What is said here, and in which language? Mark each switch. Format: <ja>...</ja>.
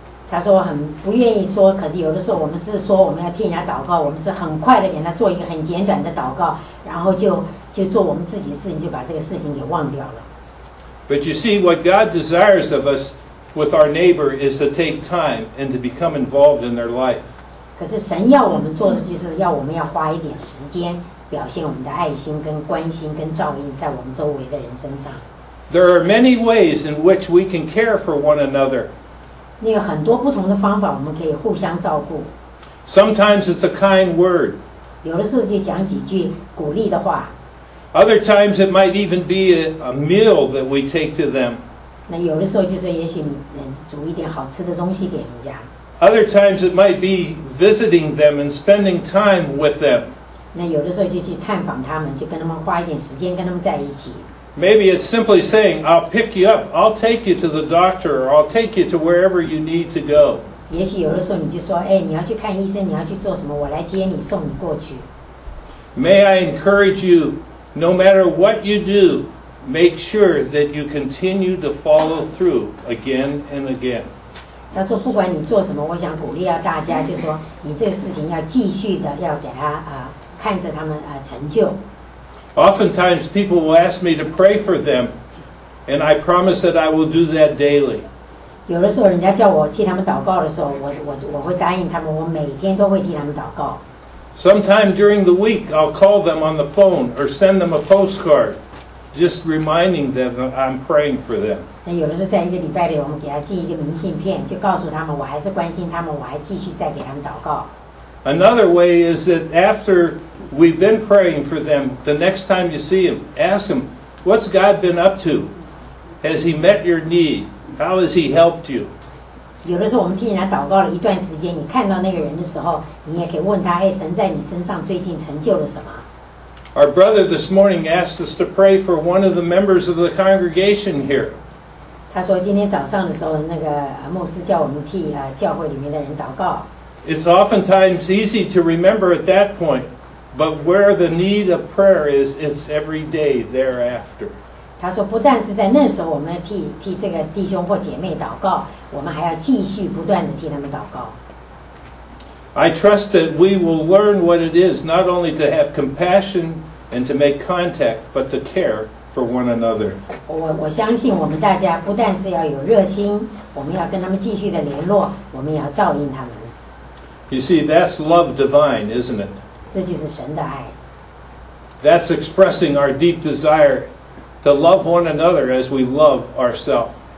<zh>他说很不愿意说，可是有的时候我们是说我们要替人家祷告，我们是很快的给他做一个很简短的祷告，然后就做我们自己的事情，就把这个事情给忘掉了。</zh> <en>But you see, what God desires of us. With our neighbor is to take time and to become involved in their life.</en> <zh>可是神要我们做的就是要我们要花一点时间，表现我们的爱心跟关心跟照应在我们周围的人身上。</zh> <en>There are many ways in which we can care for one another.</en> <zh>那个很多不同的方法我们可以互相照顾。</zh> <en>Sometimes it's a kind word.</en> <zh>有的时候就讲几句鼓励的话。</zh> <en>Other times it might even be a meal that we take to them.</en> <zh>那有的时候就是也许你能煮一点好吃的东西给人家。</zh> <en>Other times it might be visiting them and spending time with them.</en> <zh>那有的时候就去探访他们，就跟他们花一点时间跟他们在一起。</zh> <en>Maybe it's simply saying, I'll pick you up, I'll take you to the doctor, or I'll take you to wherever you need to go.</en> <zh>也许有的时候你就说，你要去看医生，你要去做什么，我来接你，送你过去。</zh> <en>May I encourage you, no matter what you do,Make sure that you continue to follow through again and again.</en> <zh>他说不管你做什么，我想鼓励大家，就说你这个事情要继续的，要给他看着他们成就。</zh> <en>Oftentimes people will ask me to pray for them, and I promise that I will do that daily.</en> <zh>有的时候人家叫我替他们祷告的时候，我会答应他们，我每天都会替他们祷告。</zh> <en>Sometime during the week, I'll call them on the phone or send them a postcard. Just reminding them that I'm praying for them.</en> <zh>那有的是在一个礼拜里，我们给他寄一个明信片，就告诉他们，我还是关心他们，我还继续在给他们祷告。</zh> <en>Another way is that after we've been praying for them, the next time you see him, ask him, "What's God been up to? Has He met your need? How has He helped you?"</en> <zh>有的时候我们替人家祷告了一段时间，你看到那个人的时候，你也可以问他，神在你身上最近成就了什么？</zh> <en>Our brother this morning asked us to pray for one of the members of the congregation here.</en> <zh>他说今天早上的时候，那个牧师叫我们替教会里面的人祷告。</zh> <en>It's oftentimes easy to remember at that point, but where the need of prayer is, it's every day thereafter.</en> <zh>他说不但是在那时候我们替这个弟兄或姐妹祷告，我们还要继续不断地替他们祷告。</zh> <en>I trust that we will learn what it is not only to have compassion and to make contact, but to care for one another.</en> <zh>我相信我们大家不但是要有热心，我们要跟他们继续的联络，我们也要照应他们。</zh> <en>You see, that's love divine, isn't it?</en> <zh>这就是神的爱。</zh> <en>That's expressing our deep desire to love one another as we love ourselves.</en>